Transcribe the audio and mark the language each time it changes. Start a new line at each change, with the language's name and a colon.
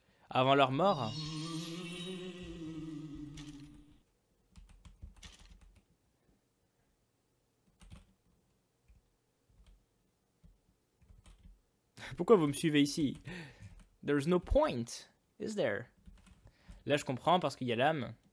French: Avant leur mort? Pourquoi vous me suivez ici?
English: There's no point, is there?
French: Là, je comprends parce qu'il y a l'âme.